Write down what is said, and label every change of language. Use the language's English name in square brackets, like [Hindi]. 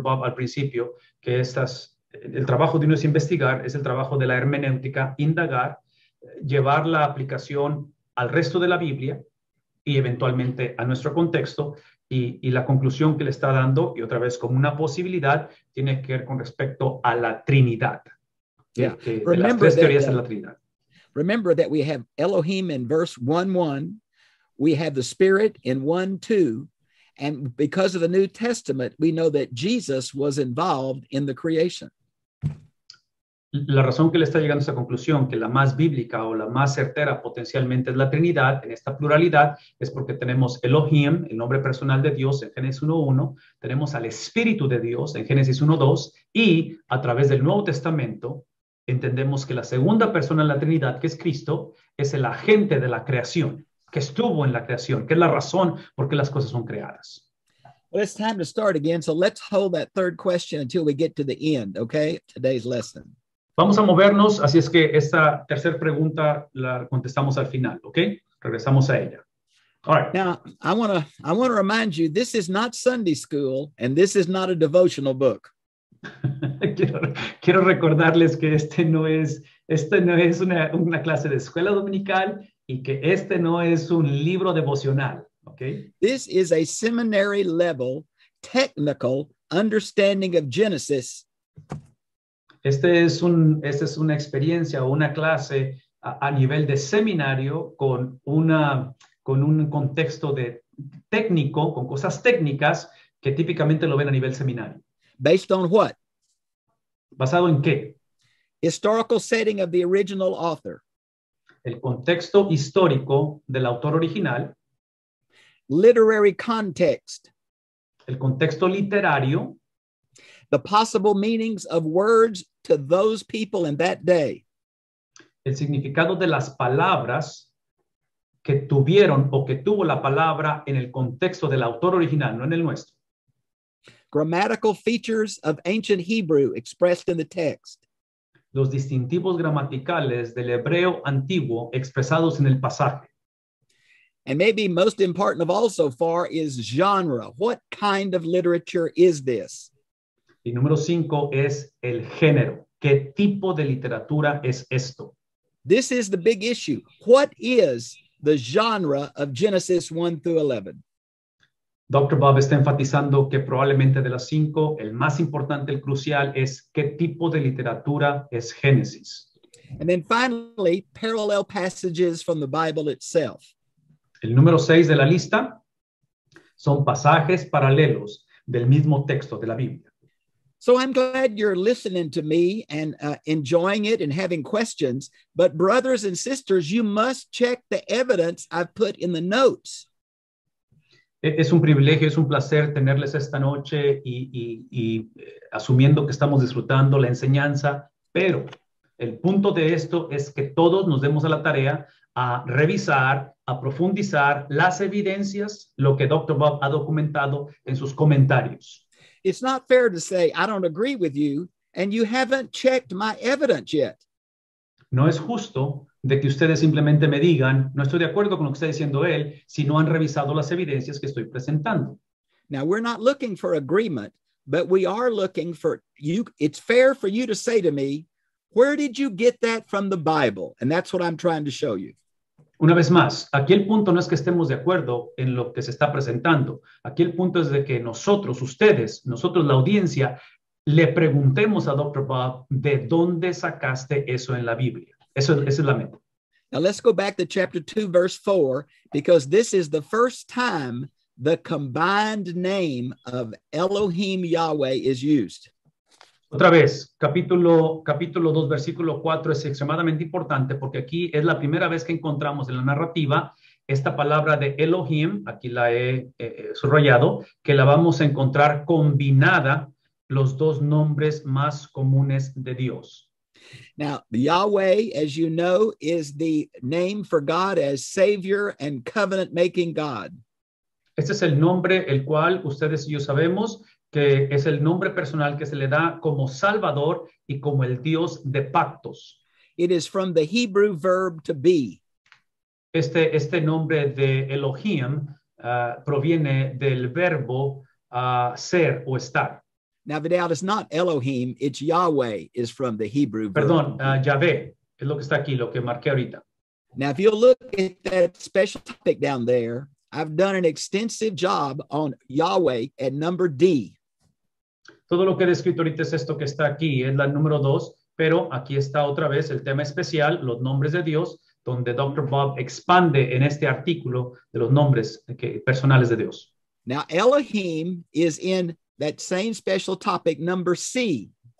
[Spanish] Bob al principio que el trabajo de uno es investigar, es el trabajo de la hermenéutica, indagar, llevar la aplicación al resto de la Biblia y eventualmente a nuestro contexto y la conclusión que le está dando, y otra vez como una posibilidad, tiene que ver con respecto a la Trinidad. [English] Yeah. [Spanish] De las tres teorías de la Trinidad. [English] Remember that we have Elohim in verse 1:1, we have the Spirit in 1:2, and because of the New Testament, we know that Jesus was involved in the creation. [Spanish] La razón que le está llegando a esta conclusión, que la más bíblica o la más certera potencialmente es la Trinidad en esta pluralidad, es porque tenemos Elohim, el nombre personal de Dios en Génesis 1:1, tenemos al Espíritu de Dios en Génesis 1:2, y a través del Nuevo Testamento entendemos que la segunda persona en la Trinidad, que es Cristo, es el agente de la creación, que estuvo en la creación, que es la razón por qué las cosas son creadas. [English] Well, it's time to start again, so let's hold that third question until we get to the end, okay? Today's lesson. [Spanish] Vamos a movernos, así es que esta tercera pregunta la contestamos al final, ¿ok? Regresamos a ella. [English] All right. Now, I want to remind you, this is not Sunday school, and this is not a devotional book. [Spanish] quiero recordarles que este no es una clase de escuela dominical y que este no es un libro devocional, ¿ok? [English] This is a seminary level technical understanding of Genesis. [Spanish] Esta es una experiencia o una clase a nivel de seminario con un contexto de técnico, con cosas técnicas que típicamente lo ven a nivel seminario. [English] Based on what? [Spanish] ¿Basado en qué? [English] Historical setting of the original author. [Spanish] El contexto histórico del autor original. [English] Literary context. [Spanish] El contexto literario. [English] The possible meanings of words to those people in that day. [Spanish] El significado de las palabras que tuvieron o que tuvo la palabra en el contexto del autor original, no en el nuestro. [English] Grammatical features of ancient Hebrew expressed in the text. [Spanish] Los distintivos gramaticales del hebreo antiguo expresados en el pasaje. [English] And maybe most important of all so far is genre. What kind of literature is this? [Spanish] Y número 5 es el género. ¿Qué tipo de literatura es esto? [English] This is the big issue. What is the genre of Genesis 1 through 11? [Spanish] Dr. Bob está enfatizando que probablemente de las 5, el más importante, el crucial, es ¿qué tipo de literatura es Génesis? [English] And then finally, parallel passages from the Bible itself. [Spanish] El número 6 de la lista son pasajes paralelos del mismo texto de la Biblia. [English] So I'm glad you're listening to me and enjoying it and having questions. But brothers and sisters, you must check the evidence I've put in the notes. [Spanish] Es un privilegio, es un placer tenerles esta noche y asumiendo que estamos disfrutando la enseñanza. Pero el punto de esto es que todos nos demos a la tarea a revisar, a profundizar las evidencias, lo que Dr. Bob ha documentado en sus comentarios. [English] It's not fair to say I don't agree with you and you haven't checked my evidence yet. [Spanish] No es justo de que ustedes simplemente me digan no estoy de acuerdo con lo que está diciendo él si no han revisado las evidencias que estoy presentando. [English] Now we're not looking for agreement, but we are looking for you. It's fair for you to say to me, where did you get that from the Bible? And that's what I'm trying to show you. [Spanish] Una vez más, aquí el punto no es que estemos de acuerdo en lo que se está presentando. Aquí el punto es de que nosotros, ustedes, nosotros la audiencia, le preguntemos a Dr. Bob, ¿de dónde sacaste eso en la Biblia? Esa es la meta. [English] Now let's go back to chapter 2, verse 4, because this is the first time the combined name of Elohim Yahweh is used. [Spanish] Otra vez, capítulo 2, versículo 4, es extremadamente importante porque aquí es la primera vez que encontramos en la narrativa esta palabra de Elohim, aquí la he subrayado, que la vamos a encontrar combinada los dos nombres más comunes de Dios. [English] Now, Yahweh, as you know, is the name for God as Savior and Covenant-Making God. [Spanish] Este es el nombre el cual ustedes y yo sabemos que es el nombre personal que se le da como Salvador y como el Dios de pactos. [English] It is from the Hebrew verb to be. [Spanish] Este nombre de Elohim proviene del verbo ser o estar. [English] Now, Vidal, it's not Elohim, it's Yahweh is from the Hebrew verb. [Spanish] Perdón, Yahvé, es lo que está aquí, lo que marqué ahorita. [English] Now, if you look at that special topic down there, I've done an extensive job on Yahweh at number D. [Spanish] Todo lo que he descrito ahorita es esto que está aquí, es la número 2, pero aquí está otra vez el tema especial, los nombres de Dios, donde Dr. Bob expande en este artículo de los nombres personales de Dios. [English] Now, Elohim is in that same special topic, number C.